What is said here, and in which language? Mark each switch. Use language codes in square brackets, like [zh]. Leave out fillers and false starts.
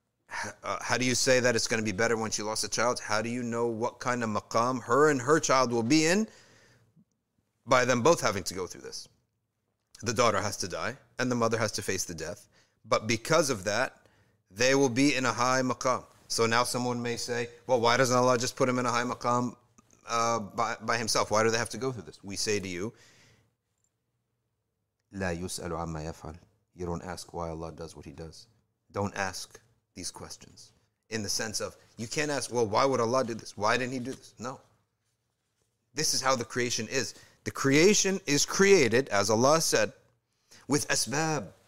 [en] How do you say that it's going to be better once you lost a child? How do you know what kind of maqam her and her child will be in by them both having to go through this? The daughter has to die and the mother has to face the death. But because of that, they will be in a high maqam. So now someone may say, well, why doesn't Allah just put him in a high maqam by himself? Why do they have to go through this? We say to you, [ar] لا يسأل عما يفعل. [en] You don't ask why Allah does what he does. Don't ask these questions. In the sense of, you can't ask, well, why would Allah do this? Why didn't he do this? No. This is how the creation is. The creation is created, as Allah said, with asbab.